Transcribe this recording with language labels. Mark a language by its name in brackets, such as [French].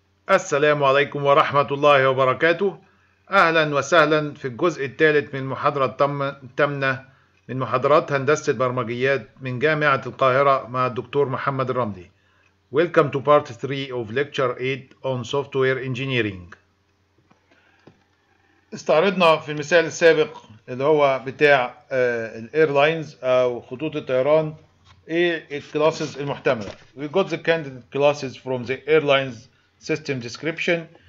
[Arabic] السلام عليكم ورحمة الله وبركاته. أهلا وسهلا في الجزء الثالث من محاضرة تمنة من محاضرات هندسة البرمجيات من جامعة القاهرة مع الدكتور محمد الرملي. [English] Welcome to part 3 of lecture 8 on software engineering. [Arabic] استعرضنا في المثال السابق اللي هو بتاع الايرلاينز أو خطوط الطيران ايه الكلاسز المحتملة. [English] We got the candidate classes from the airlines system description.